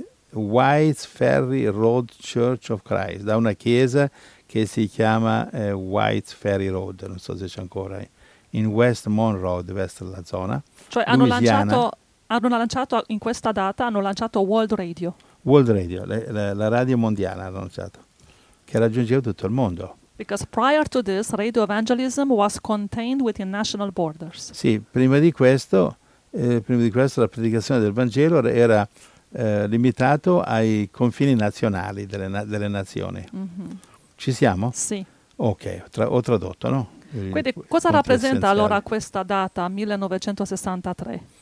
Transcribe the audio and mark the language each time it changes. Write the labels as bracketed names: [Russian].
[Italian] White Ferry Road Church of Christ, da una chiesa che si chiama White Ferry Road, non so se c'è ancora, in West Monroe, deve essere la zona. Cioè hanno lanciato in questa data, hanno lanciato World Radio. World Radio, la radio mondiale hanno lanciato, che raggiungeva tutto il mondo. [English] Because prior to this, radio evangelism was contained within national borders. [Italian] Sì, prima di questo la predicazione del Vangelo era limitato ai confini nazionali delle nazioni. Mm-hmm. Ci siamo? Sì. Ok, ho tradotto, no? Quindi cosa rappresenta allora questa data, 1963?